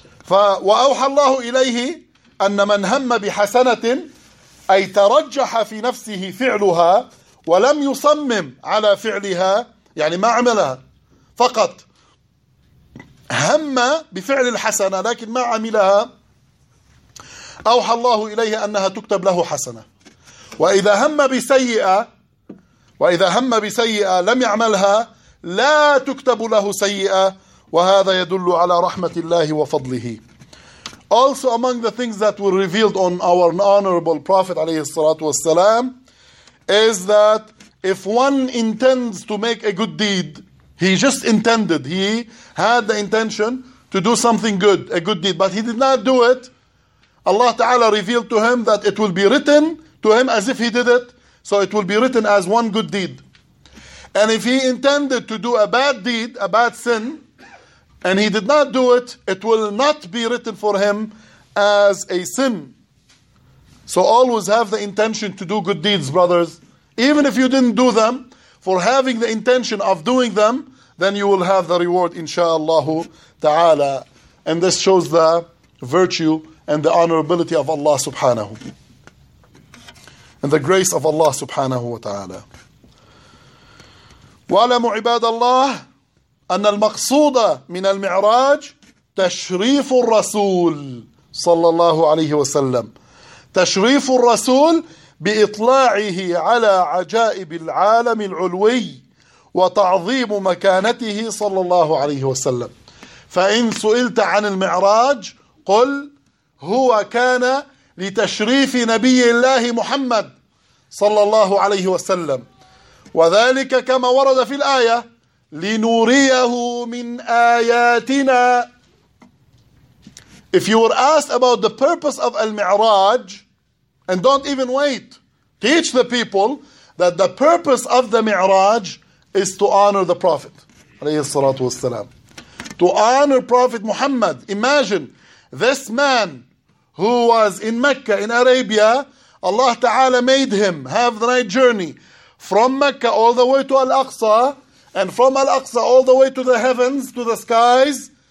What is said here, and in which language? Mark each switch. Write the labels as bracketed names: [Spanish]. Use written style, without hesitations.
[Arabic] وأوحى الله إليه أن من هم بحسنة، أي ترجح في نفسه فعلها ولم يصمم على فعلها، يعني ما عملها، فقط هم بفعل الحسنة لكن ما عملها، أوحى الله إليه أنها تكتب له حسنة. وإذا هم بسيئة، وإذا هم بسيئة لم يعملها لا تكتب له سيئة، وهذا يدل على رحمة الله وفضله. [English] Also among the things that were revealed on our honorable prophet عليه الصلاة والسلام is that if one intends to make a good deed, he just intended, he had the intention to do something good, a good deed, but he did not do it, Allah Ta'ala revealed to him that it will be written to him as if he did it. So it will be written as one good deed. And if he intended to do a bad deed, a bad sin, and he did not do it, it will not be written for him as a sin. So always have the intention to do good deeds, brothers. Even if you didn't do them, for having the intention of doing them, then you will have the reward, insha'Allah Ta'ala. And this shows the virtue and the honorability of Allah subhanahu, and the grace of Allah subhanahu wa ta'ala. [Arabic] وَعَلَمُوا عِبَادَ اللَّهِ أن المقصود من المعراج تشريف الرسول صلى الله عليه وسلم، تشريف الرسول بإطلاعه على عجائب العالم العلوي وتعظيم مكانته صلى الله عليه وسلم. فإن سئلت عن المعراج قل هو كان لتشريف نبي الله محمد صلى الله عليه وسلم، وذلك كما ورد في الآية لنوريه من آياتنا. [English] If you were asked about the purpose of Al-Mi'raj, and don't even wait, teach the people that the purpose of the Mi'raj is to honor the Prophet عليه الصلاة والسلام. To honor Prophet Muhammad. Imagine this man who was in Mecca, in Arabia, Allah Ta'ala made him have the night journey from Mecca all the way to Al-Aqsa, and from Al-Aqsa all the way to the heavens, to the skies.